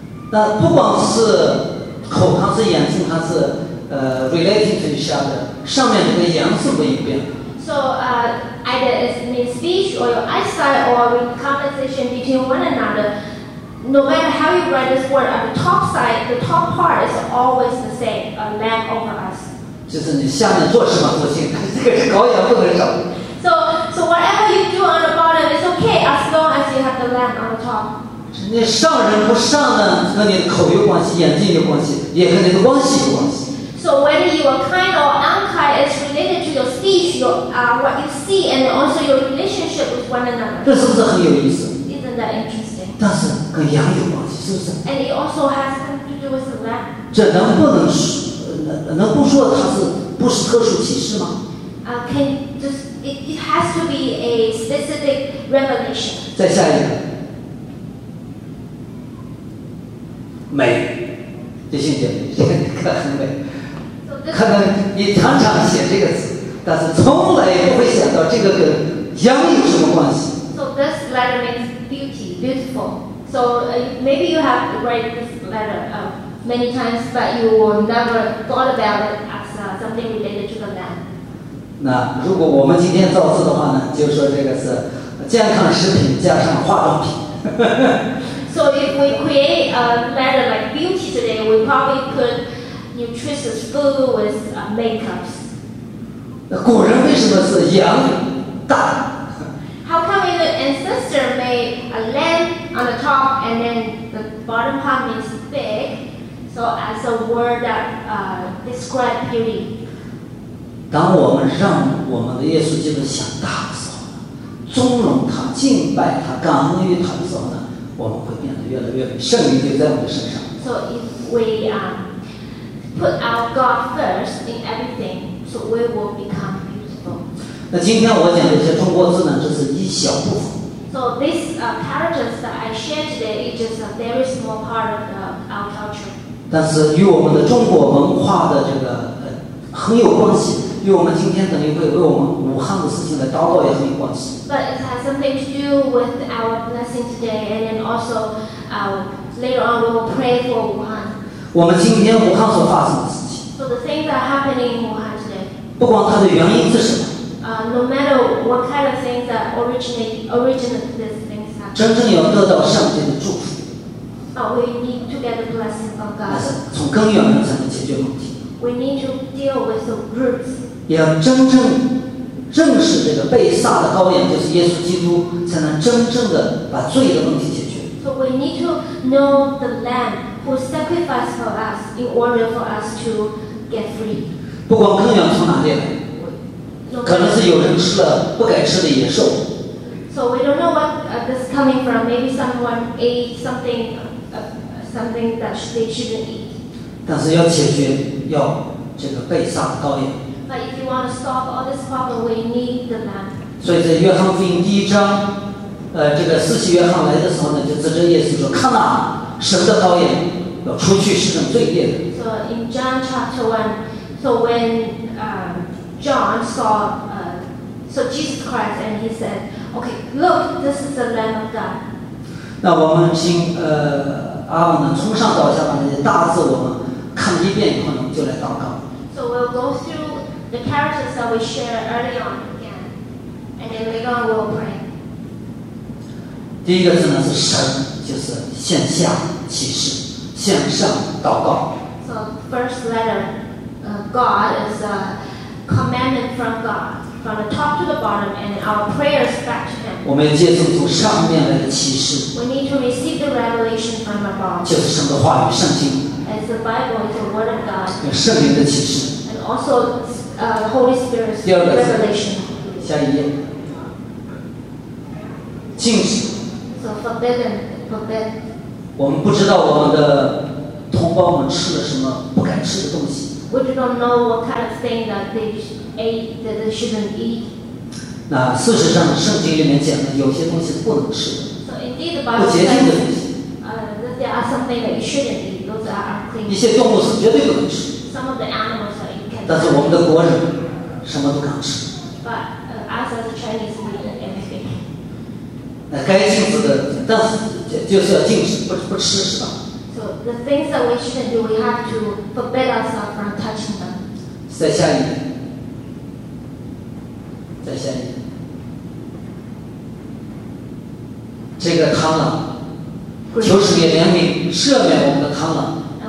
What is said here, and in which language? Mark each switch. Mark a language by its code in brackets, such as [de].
[zh] 那不管是口还是眼睛还是 [en] relating to each other, [zh] 上面这个羊是不一样。 [en] So either it's in speech or your eyesight or in conversation between one another, no matter how you write this word, on the top side, the top part is always the same, a lamb over us. [zh] 就是你下面做什么都行，这个是羔羊不能少。 [en] So whatever you do on the bottom, it's okay as long as you have the lamb on the top. [zh] 你上人不上呢，跟你的口有关系，眼睛有关系，也跟你的关系有关系。 [en] So whether you are kind or unkind is related to your speech, your what you see, and also your relationship with one another. [zh] 这是不是很有意思？ [en] Isn't that interesting? [zh] 但是跟羊有关系，是不是？ [en] And it also has to do with the lamb. [zh] 这能不能说，能不说它是不是特殊启示吗？ [en] Can just it has to be a specific revelation. [zh] 再下一个，美，弟兄姐妹，这个很美。可能你常常写这个词，但是从来也不会想到这个跟羊有什么关系。 [en] So this letter means beauty, beautiful. So maybe you have read this letter many times, but you never thought about it as something related to the lamb. [zh] 那如果我们今天造字的话呢，就说这个是健康食品加上化妆品。 [en] So if we create a letter like beauty today, we probably put. Nutritious food with makeups. [zh] 那古人为什么是羊大 [en] ？How come the ancestor made a lamb on the top and then the bottom part means big? So as a word that describe beauty. [zh] 当我们让我们的耶稣基督想大的时候，尊荣他、敬拜他、感恩于他的时候呢，我们会变得越来越美，圣灵就在我们身上。 [en] So if we put our God first in everything, so we will become beautiful. [zh] 那今天我讲的一些中国字呢，这是一小部分。 [en] So this characters that I share today is just a very small part of our culture. [zh] 但是与我们的中国文化的这个很有关系，因为我们今天等于会为我们武汉的事情来祷告也很有关系。 [en] But it has something to do with our blessing today, and then also, later on we will pray for Wuhan. [zh] 我们今天武汉所发生的事情。 [en] So the things that are happening in Wuhan today. [zh] 不管它的原因是什么。 [en] No matter what kind of things that originate these things. [zh] 真正要得到上帝的祝福。 [en] But we need to get the blessing from God. [zh] 那是从根源上才能解决问题。 [en] We need to deal with the roots. [zh] 也要真正正视这个被杀的羔羊，就是耶稣基督，才能真正的把罪的问题解决。 [en] So we need to know the Lamb who sacrificed for us in order for us to get free. [zh] 不管羔羊从哪里来，可能是有人吃了不该吃的野兽。 [en] So we don't know what this is coming from. Maybe someone ate something that they shouldn't eat. [zh] 但是要解决。要这个被杀的羔羊。 [en] But if you want to stop all this problem, we need the Lamb. [zh] 所以在约翰福音第一章，这个四旬约翰来的时候呢，就指着耶稣说：“看哪，神的羔羊，要除去世人罪孽的。” [en] So in John chapter one, so when John saw Jesus Christ, and he said, "Okay, look, this is the Lamb of God." [zh] 那我们请阿爸呢，从上到下把那些大字我们。看一遍可能就来祷告。 [en] So we'll go through the characters that we shared early on again, and then later on we'll pray. [zh] 第一个字呢是神，就是线下启示，线上祷告。 [en] So first letter, God is a commandment from God, from the top to the bottom, and our prayers back to Him. [zh] 我们要接受从上面来的启示。 [en] We need to receive the revelation from above. [zh] 就是神的话语，圣经。 [en] It's the Bible, the Word of God. And also the Holy Spirit's revelation. [zh] 下一页。禁止。 [en] So forbidden. [zh] 我们不知道我们的同胞们吃了什么不敢吃的东西。 [en] We do not know what kind of thing that they ate that they shouldn't eat. [zh] 那事实上圣经里面讲的有些东西不能吃的。不洁净的东西。 [en] There are some things that you shouldn't eat. [zh] 一些动物是绝对不能吃 [en] Some of the animals that you can [zh] 但是我们的国人什么都敢吃 [en] But us as Chinese we eat everything [zh] 那该禁止的但是 就是要禁止 不吃是吧 [en] So the things that we shouldn't do we have to forbid ourselves from touching them [zh] 再下一点再下一点这个贪婪求神也怜悯赦免我们的贪婪